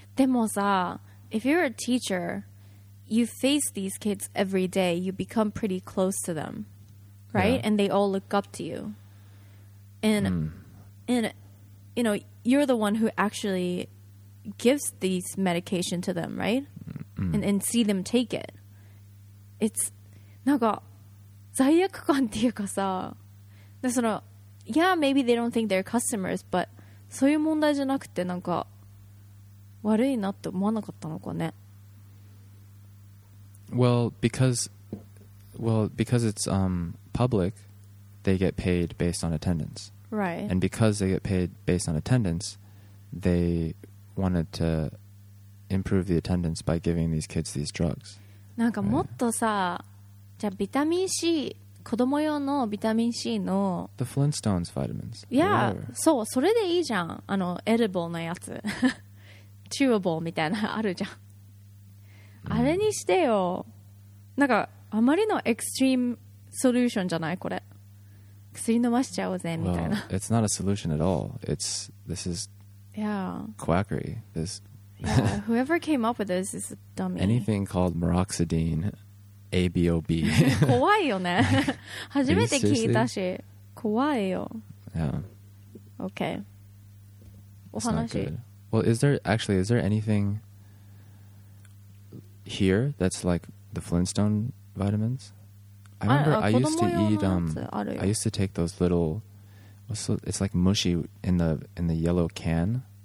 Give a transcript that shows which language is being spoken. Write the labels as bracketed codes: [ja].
[ja] でもさ、 [en] if you're a teacher, you face these kids every day. You become pretty close to them, right? And they all look up to you. And you know, you're the one who actually gives these medication to them, right? And see them take it. It's [ja] なんか罪悪感っていうかさ、でその。 [en] Yeah, maybe they don't think they're customers, but [ja] そういう問題じゃなくてなんか悪いなって思わなかったのかね。 [en] Well, because it's public, they get paid based on attendance. Right. And because they get paid based on attendance, they wanted to improve the attendance by giving these kids these drugs. [ja] なんかもっとさ、じゃあビタミン C。子供用のビタミン C の [en] The Flintstones vitamins. Yeah, [ja] そう、それでいいじゃん。あの、エディブルのやつ。チューアブルみたいなあるじゃん。あれにしてよ。なんか、あまりのエクストリームソリューションじゃない?これ。薬飲ましちゃおうぜ、みたいな。 [en] Well, it's not a solution at all. It's, this is quackery. This whoever came up with this is a dummy. Anything called moroxidine... ABOB [ja] 怖いよね初めて聞いたし怖いよ [en] Yeah [ja] OK お話 [en] Well, is there anything here that's like the Flintstone vitamins? I remember I used to eat, I used to take those little, it's like mushy in the yellow can.